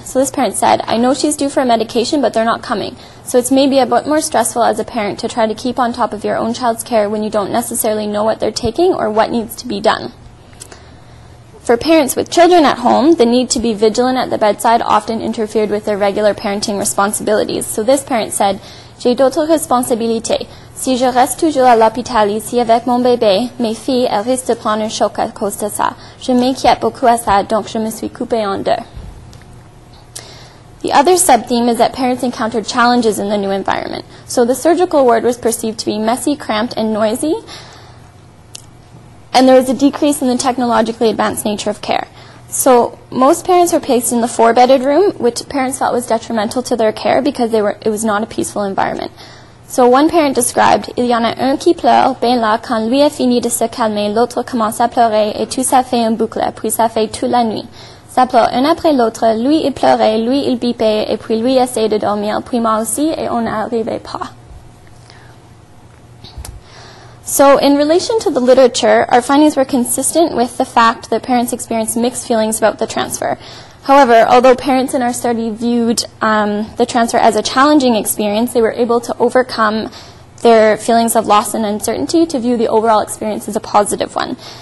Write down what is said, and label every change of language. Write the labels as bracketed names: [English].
[English] So this parent said, I know she's due for a medication, but they're not coming. So it's maybe a bit more stressful as a parent to try to keep on top of your own child's care when you don't necessarily know what they're taking or what needs to be done. For parents with children at home, the need to be vigilant at the bedside often interfered with their regular parenting responsibilities. So this parent said, j'ai d'autres responsabilités. [French] Si je reste toujours à l'hôpital ici avec mon bébé, mes filles, elles risquent de prendre un choc à cause de ça. Je m'inquiète beaucoup à ça, donc je me suis coupée en deux. [English] The other sub-theme is that parents encountered challenges in the new environment. So the surgical ward was perceived to be messy, cramped, and noisy. And there was a decrease in the technologically advanced nature of care. So most parents were placed in the four-bedded room, which parents felt was detrimental to their care because it was not a peaceful environment. [French] So one parent described, il y en a un qui pleure, ben là, quand lui a fini de se calmer, l'autre commence à pleurer, et tout ça fait une boucle, puis ça fait toute la nuit. Ça pleure un après l'autre, lui il pleurait, lui il bipait, et puis lui essaie de dormir, puis moi aussi, et on n'arrivait pas. [English] So in relation to the literature, our findings were consistent with the fact that parents experienced mixed feelings about the transfer. However, although parents in our study viewed the transfer as a challenging experience, they were able to overcome their feelings of loss and uncertainty to view the overall experience as a positive one.